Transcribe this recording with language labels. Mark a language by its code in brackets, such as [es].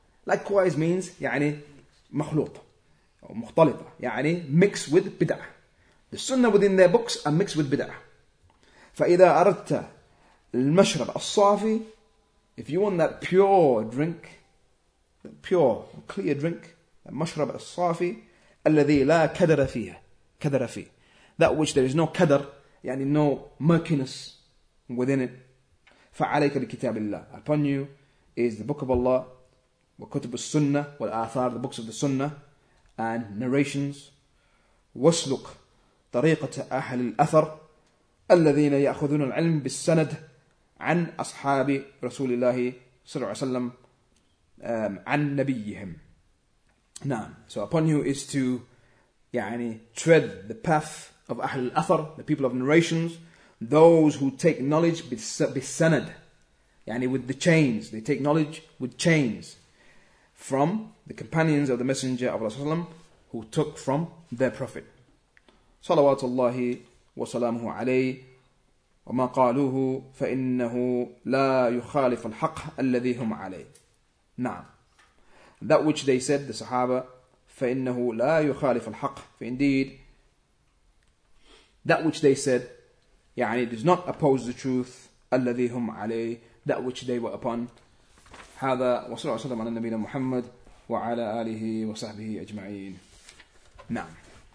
[en] Likewise means [ar] يعني مخلوطة أو مختلطة. [en] يعني mixed with بدعة. The sunnah within their books are mixed with بدعة. [ar] فإذا أردت المشرب الصافي, [en] if you want that pure drink, that pure, clear drink, that [ar] مشرب الصافي الذي لا كدر فيها, كدر فيه, [en] that which there is no كدر, يعني no murkiness within it, [ar] فعليك بكتاب الله, [en] upon you is the book of Allah, [ar] وكتب السنة والآثار, [en] the books of the sunnah and narrations, [ar] وسلك طريقة أهل الأثر الذين يأخذون العلم بالسند عن أصحاب رسول الله صلى الله عليه وسلم عن نبيهم. نعم. [en] So upon you is to يعني tread the path of أهل الأثر, the people of narrations, those who take knowledge بالسند, يعني with the chains, they take knowledge with chains from the companions of the Messenger of Allah who took from their Prophet. [ar] صلوات الله وسلامه عليه وما قالوه فإنه لا يخالف الحق الذي هم عليه. [en] نعم. That which they said, the Sahaba, [ar] فإنه لا يخالف الحق. [en] For indeed, that which they said, يعني does not oppose the truth, [ar] الذي هم عليه, [en] that which they were upon. [ar] هذا وصلى الله عليه وسلم على نبينا محمد وعلى آله وصحبه أجمعين. نعم.